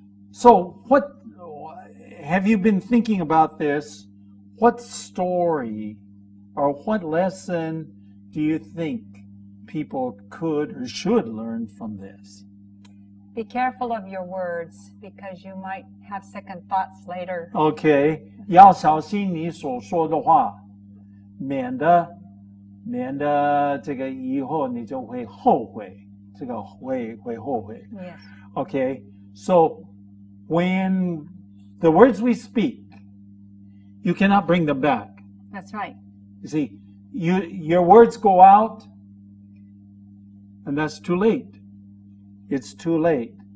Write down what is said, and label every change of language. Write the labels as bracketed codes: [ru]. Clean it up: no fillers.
[en] So what have you been thinking about this? What story or what lesson do you think people could or should learn from this? Be careful of your words because you might have second thoughts later. Okay. [zh] 要小心你所说的话，免得这个以后你就会后悔，这个会后悔。 [en] Yes. Okay. So when the words we speak, you cannot bring them back. That's right. You see, your words go out, and that's too late. It's too late.